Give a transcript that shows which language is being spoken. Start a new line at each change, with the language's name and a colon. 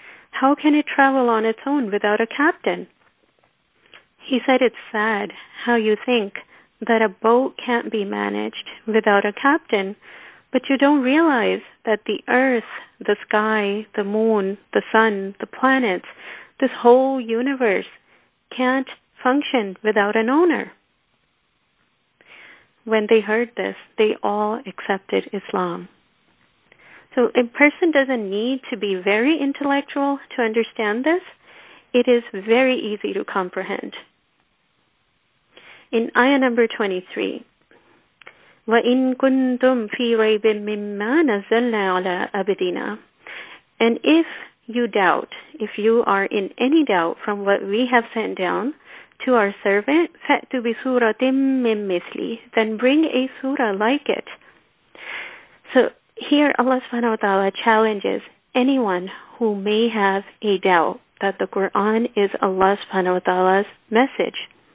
English: How can it travel on its own without a captain? He said, it's sad how you think that a boat can't be managed without a captain, but you don't realize that the earth, the sky, the moon, the sun, the planets, this whole universe can't function without an owner. When they heard this, they all accepted Islam. So a person doesn't need to be very intellectual to understand this. It is very easy to comprehend. In ayah number 23,
Arabic: وَإِن كُنْتُمْ فِي رَيْبٍ مِّمَّا نَزَلْنَا عَلَىٰ أَبْدِنَا.
English: And if you doubt, if you are in any doubt from what we have sent down to our servant,
Arabic: فَأْتُ بِسُورَةٍ مِّمْ مِثْلِ,
English: then bring a surah like it. So here Allah subhanahu wa ta'ala challenges anyone who may have a doubt that the Qur'an is Allah subhanahu wa ta'ala's message.